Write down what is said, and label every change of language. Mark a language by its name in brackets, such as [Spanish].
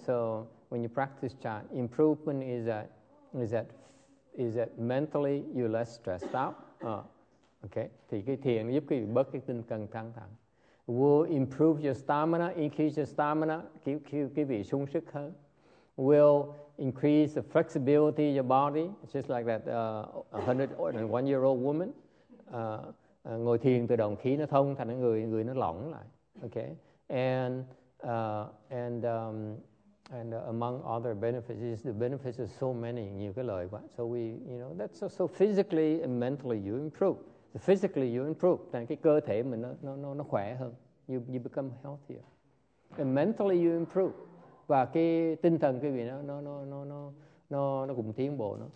[English] So when you practice chant, improvement is that mentally you're less stressed out. Okay. [Vietnamese] Thì cái thiền giúp quý vị bớt cái tinh cần căng thẳng. [English] Will improve your stamina, increase your stamina, [Vietnamese] quý vị sung sức hơn. [English] Will increase the flexibility of your body, just like that 101-year-old woman. [Vietnamese] Ngồi thiền tự động khí nó thông thành người nó lỏng lại. [English] Okay, and among other benefits, is the benefits of so many, [Vietnamese] nhiều cái lợi quá. [English] So we, you know, that's so physically and mentally you improve. So physically you improve, [Vietnamese] thành cái cơ thể mình nó khỏe hơn. [English] You become healthier, and mentally you improve. [Vietnamese] Và cái tinh thần quý vị nó cũng tiến bộ nó.